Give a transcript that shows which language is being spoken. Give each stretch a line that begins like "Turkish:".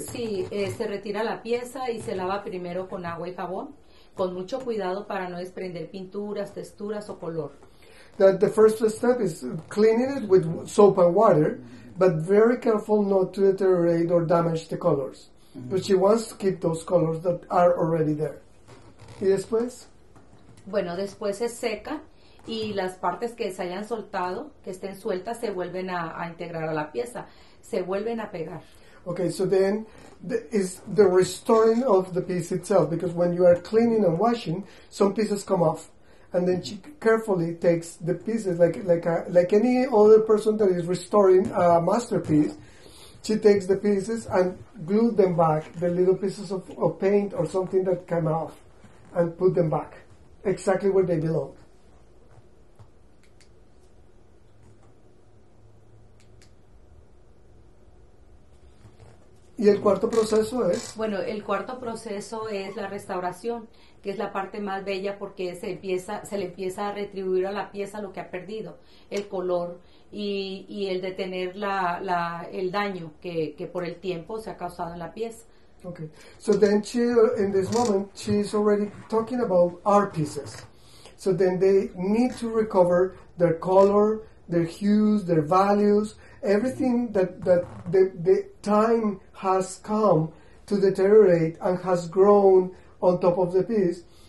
Spanish: Sí, se retira la pieza y se lava primero con agua y jabón, con mucho cuidado para no desprender pinturas, texturas o color.
English: That the first step is cleaning it with soap and water, mm-hmm. but very careful not to deteriorate or damage the colors. Mm-hmm. But she wants to keep those colors that are already there.
Spanish: ¿Y después? Bueno, después se seca y las partes que se hayan soltado, que estén sueltas, se vuelven a integrar a la pieza. Se vuelven a pegar.
English: Okay, so then is the restoring of the piece itself. Because when you are cleaning and washing, some pieces come off. And then she carefully takes the pieces, like any other person that is restoring a masterpiece, She takes the pieces and glued them back, the little pieces of paint or something that came off, and put them back exactly where they belong.
Spanish: ¿Y el cuarto proceso es? Bueno, el cuarto proceso es la restauración, que es la parte más bella porque se le empieza a retribuir a la pieza lo que ha perdido, el color y el detener el daño que por el tiempo se ha causado en la pieza.
English: Okay. So then in this moment, she's already talking about art pieces. So then they need to recover their color, their hues, their values, everything that the time has come to deteriorate and has grown on top of the piece.